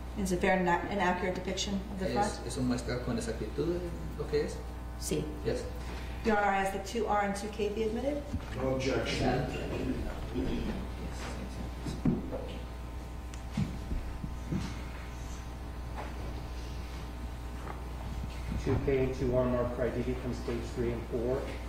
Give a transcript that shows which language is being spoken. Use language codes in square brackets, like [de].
[en] Is it fair and an accurate depiction of the front? [es] ¿Es un muestra con exactitud lo que es? Sí. [en] Yes. Your Honor, ask that 2R and 2K be admitted? No objection. Yes. 2K and 2R mark for ID from stage 3 and 4.